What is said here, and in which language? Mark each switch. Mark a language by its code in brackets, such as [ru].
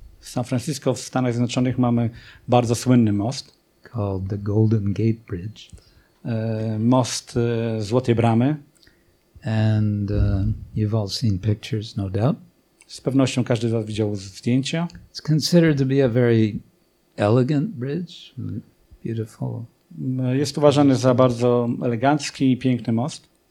[pl] W San Francisco w Stanach Zjednoczonych mamy bardzo słynny most. [en] Called the Golden Gate Bridge. [pl] Most Złotej Bramy. [en] And you've all seen pictures, no doubt. [pl] Z pewnością każdy z was widział zdjęcia. [en] It's considered to be a very elegant bridge, beautiful. [pl] Jest uważany za bardzo elegancki i piękny most.